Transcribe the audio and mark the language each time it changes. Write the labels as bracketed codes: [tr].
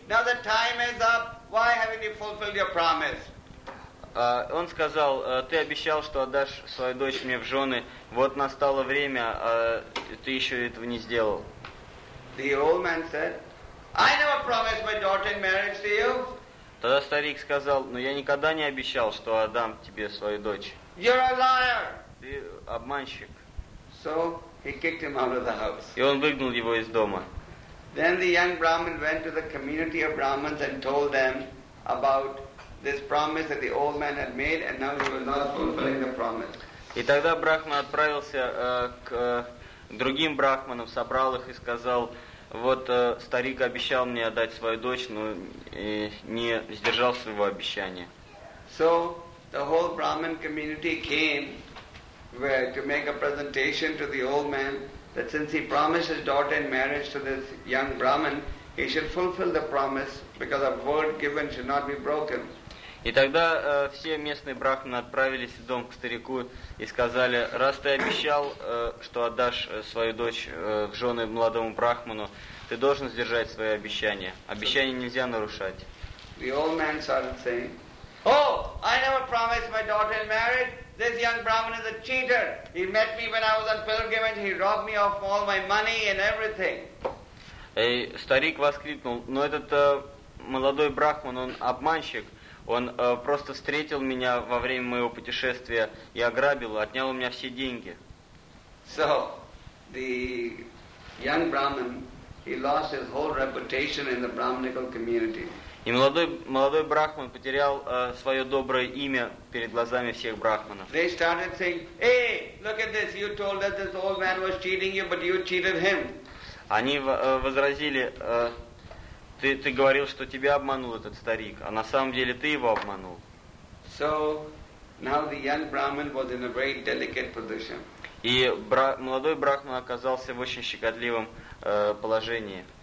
[en] Now the time is up. Why haven't you fulfilled your promise?" [ru] Он сказал: ты обещал, что отдашь свою дочь мне в жены. Вот настало время, а ты еще этого не сделал. [en] The old man said, "I never promised my daughter in marriage to you." [ru] Тогда старик сказал: но я никогда не обещал, что отдам тебе свою дочь. [en] You're a liar. [ru] Ты обманщик. [en] So he kicked him out of the house. [ru] И он выгнал его из дома. [en] Then the young Brahmin went to the community of Brahmins and told them about this promise that the old man had made, and now he was not fulfilling the promise. [ru] И тогда брахман отправился к другим брахманам, собрал их и сказал: вот старик обещал мне отдать свою дочь, но не сдержал своего обещания. [en] So the whole Brahmin community came to make a presentation to the old man that since he promised his daughter in marriage to this young Brahmin, he should fulfill the promise because a word given should not be broken. [ru] И тогда все местные брахманы отправились в дом к старику и сказали: раз ты обещал, что отдашь свою дочь в жены молодому брахману, ты должен сдержать свои обещания. Обещания нельзя нарушать. [en] The old man started saying, "Oh, I never promised my daughter in marriage. This young Brahmin is a cheater. He met me when I was on pilgrimage. He robbed me of all my money and everything." [ru] И старик воскликнул: но этот молодой брахман, он обманщик. Он просто встретил меня во время моего путешествия и ограбил, отнял у меня все деньги. [en] So, the young Brahmin, he lost his whole reputation in the Brahminical community. [ru] И молодой брахман потерял свое доброе имя перед глазами всех брахманов. [en] They started saying, "Hey, look at this! You told us this old man was cheating you, but you cheated him." [ru] Они возразили: "Ты говорил, что тебя обманул этот старик, а на самом деле ты его обманул." [en] So, now the young brahman was in a very delicate position. [ru] И молодой брахман оказался в очень щекотливом положении.